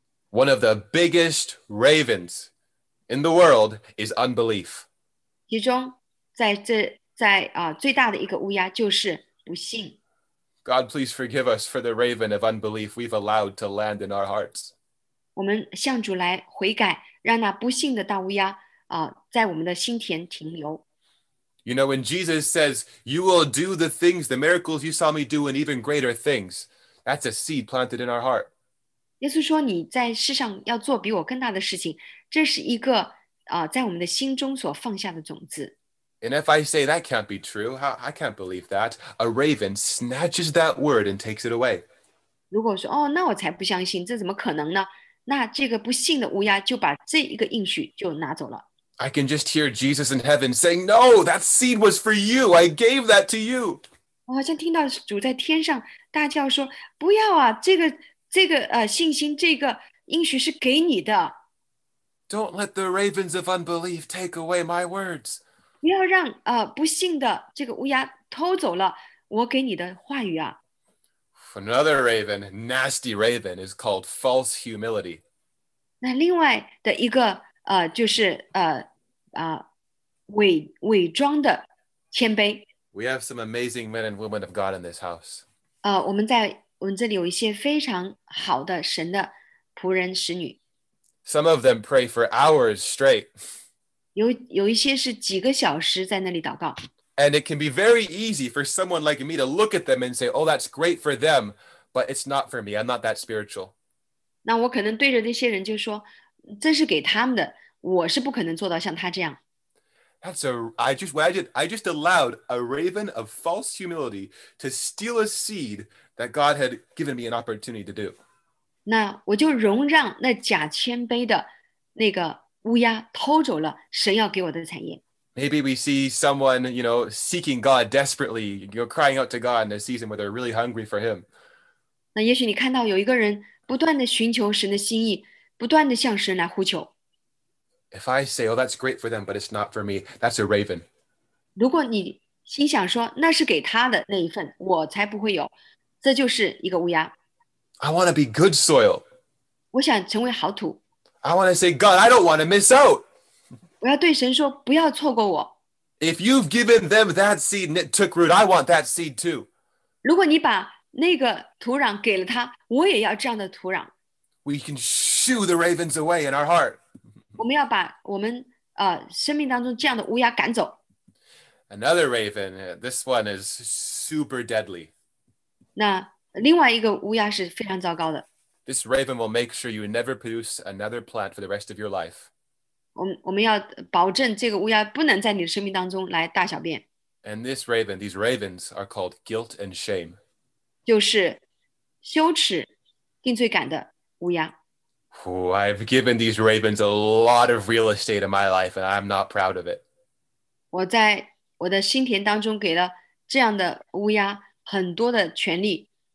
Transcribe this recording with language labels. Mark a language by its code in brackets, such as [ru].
[en] One of the biggest ravens in the world is unbelief. [zh] 其中最大的一个乌鸦就是不信。 [en] God, please forgive us for the raven of unbelief we've allowed to land in our hearts. [zh] 我们向主来悔改，让那不信的大乌鸦在我们的心田停留。 [en] You know, when Jesus says, you will do the things, the miracles you saw me do, and even greater things, that's a seed planted in our heart. [zh] 耶稣说你在世上要做比我更大的事情，这是一个在我们的心中所放下的种子。 [en] And if I say that can't be true, I can't believe that. A raven snatches that word and takes it away. [zh] 如果说那我才不相信，这怎么可能呢？那这个不信的乌鸦就把这一个应许就拿走了。 [en] I can just hear Jesus in heaven saying, No, that seed was for you. I gave that to you. [zh] 我好像听到主在天上大叫说，不要啊，这个信心，这个应许是给你的。 [en] Don't let the ravens of unbelief take away my words. [zh] 不要让不信的这个乌鸦偷走了我给你的话语啊。 [en] Another raven, nasty raven, is called false humility. [zh] 那另外的一个就是伪装的谦卑。 [en] We have some amazing men and women of God in this house. [zh] 我们这里有一些非常好的神的仆人使女。 [en] Some of them pray for hours straight. [zh] 有一些是几个小时在那里祷告。 [en] And it can be very easy for someone like me to look at them and say, oh, that's great for them, but it's not for me. I'm not that spiritual. [zh] 那我可能对着那些人就说，这是给他们的，我是不可能做到像他这样。 [en] That's I just allowed a raven of false humility to steal a seed that God had given me an opportunity to do. [zh] 那我就容让那假谦卑的那个乌鸦偷走了神要给我的产业。 [en] Maybe we see someone, you know, seeking God desperately, you know, crying out to God in a season where they're really hungry for Him. [zh] 那也许你看到有一个人不断地寻求神的心意，不断地向神来呼求。 [en] If I say, oh, that's great for them, but it's not for me, that's a raven. [zh] 如果你心想说，那是给他的那一份，我才不会有，这就是一个乌鸦。 [en] I want to be good soil. [zh] 我想成为好土。 [en] I want to say, God, I don't want to miss out. [zh] 我要对神说，不要错过我。 [en] If you've given them that seed and it took root, I want that seed too. [zh] 如果你把那个土壤给了他，我也要这样的土壤。 [en] We can shoo the ravens away in our heart. [zh] 我们要把我们生命当中这样的乌鸦赶走。 [en] Another raven, this one is super deadly. [zh] 那另外一个乌鸦是非常糟糕的。 [en] This raven will make sure you never produce another plant for the rest of your life. [zh] 我们要保证这个乌鸦不能在你的生命当中来大小便。 [en] And this raven, these ravens are called guilt and shame. [zh] 就是羞耻、定罪感的乌鸦。 [en] Oh, I've given these ravens a lot of real estate in my life, and I'm not proud of it. [zh] 我在我的心田当中给了这样的乌鸦很多的权利。